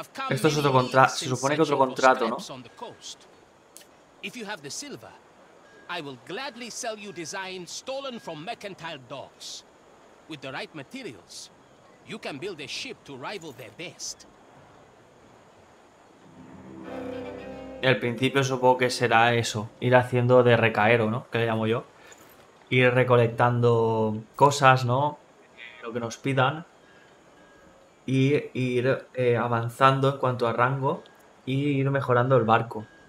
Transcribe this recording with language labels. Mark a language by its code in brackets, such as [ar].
[es] Esto es otro contrato. Se supone que otro contrato, ¿no? [en] If you have the silver, I will gladly sell you designs stolen from mercantile docks. With the right materials, you can build a ship to rival their best. [es] El principio supongo que será eso, ir haciendo de recaero, ¿no? Que le llamo yo. Ir recolectando cosas, ¿no? Lo que nos pidan. Y ir avanzando en cuanto a rango y ir mejorando el barco.